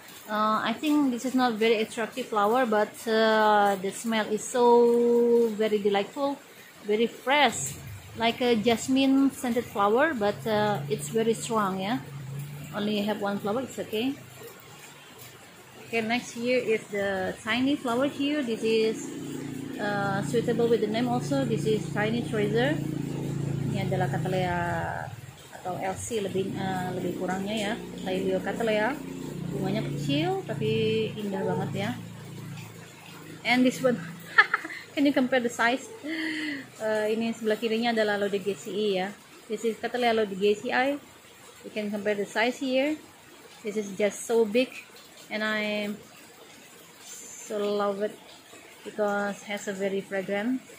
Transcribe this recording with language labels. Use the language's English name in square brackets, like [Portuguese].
[English] I think this is not very attractive flower, but the smell is so very delightful, very fresh, like a jasmine scented flower, but it's very strong, yeah. Only have one flower, it's okay. Okay, next here is the tiny flower here. This is suitable with the name also. This is tiny treasure. [Indonesian] Ini adalah Cattleya atau LC lebih kurangnya ya. Cattleya Cattleya. Bunganya kecil tapi indah banget ya. [English] And this one, can you compare the size? [Indonesian] Ini sebelah kirinya adalah Lodigesii ya. [English] This is Cattleya Lodigesii. You can compare the size here. This is just so big, and I so love it because it has a very fragrant.